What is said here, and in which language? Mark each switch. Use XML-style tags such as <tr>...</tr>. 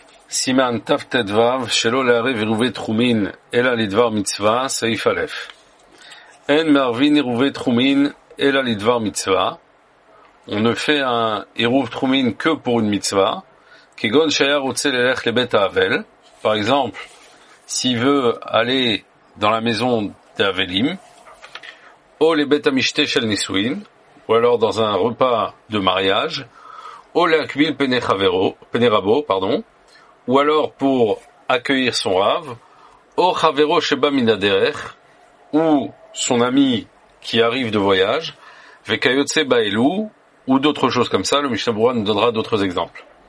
<he>סימן תתו שלא לערב עירובי תחומין אלא לדבר מצווה, סעיף א'. אין מערבין עירובי תחומין אלא לדבר מצווה.</he> <fr>On ne fait un עירוב תחומין que pour une מצווה.</fr> <he>כגון שהיה רוצה ללך לבית האבל.</he> <fr>Par exemple, s'il veut aller dans la maison d'Avelim,</fr> <he>או לבית המשתה של נישואין,</he> <fr>ou alors dans un repas de mariage,</fr> <he>או להקביל פני רבו,</he> <fr>pardon, ou alors pour accueillir son rav, ou</fr> <he>chavero sheba min haderech,</he> <fr>ou son ami qui arrive de voyage,</fr> <he>vekayotse ba'elu,</he> <fr>ou d'autres choses comme ça. Le Mishnah Berurah nous donnera d'autres exemples.</fr>